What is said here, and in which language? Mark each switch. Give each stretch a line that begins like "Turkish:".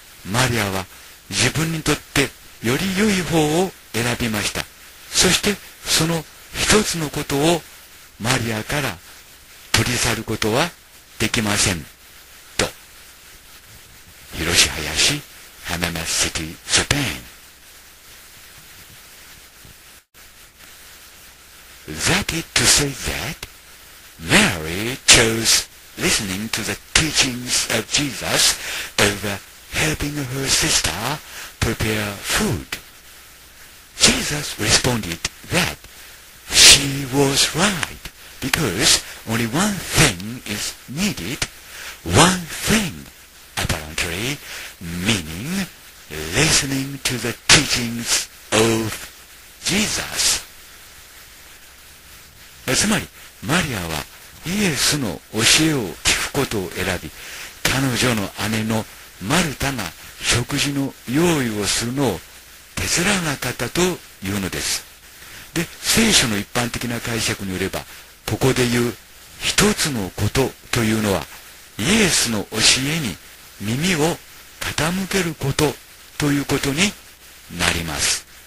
Japanese: マリアは自分にとってより良い方を選びました。そして、その一つのことをマリアから取り去ることはできません。と。広し林、浜松シティ、スペイン。
English: That is to say that Mary chose listening to the teachings of Jesus over helping her sister prepare food. Jesus responded that she was right because only one thing is needed, one thing, apparently, meaning listening to the teachings of Jesus.
Japanese: つまり、マリアはイエスの教えを聞くことを選び、彼女の姉のマルタが食事の用意をするのを手伝わなかったというのです。で、聖書の一般的な解釈によれば、ここで言う一つのことというのは、イエスの教えに耳を傾けることということになります。